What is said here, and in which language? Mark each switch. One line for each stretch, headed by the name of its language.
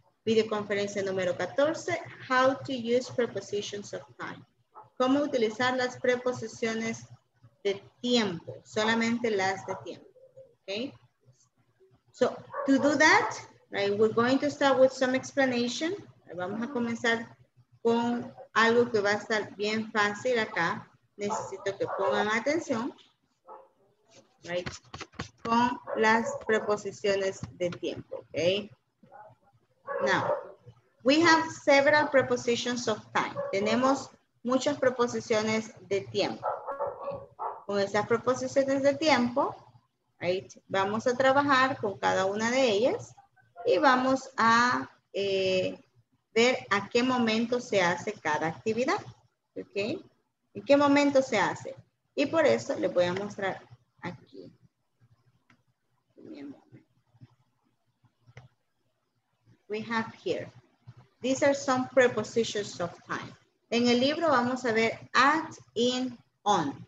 Spanish: Videoconferencia número 14,
English: how to use prepositions of time.
Spanish: ¿Cómo utilizar las preposiciones de tiempo? Solamente las de tiempo. Okay.
English: So, to do that, right, we're going to start with some explanation.
Spanish: Vamos a comenzar con algo que va a estar bien fácil acá. Necesito que pongan atención. Right, con las preposiciones de tiempo. Okay.
English: Now, we have several prepositions of time.
Spanish: Tenemos muchas preposiciones de tiempo. Con esas preposiciones de tiempo, right, vamos a trabajar con cada una de ellas y vamos a ver a qué momento se hace cada actividad. Okay. ¿En qué momento se hace? Y por eso les voy a mostrar aquí.
English: We have here, these are some prepositions of time.
Spanish: En el libro vamos a ver at, in, on.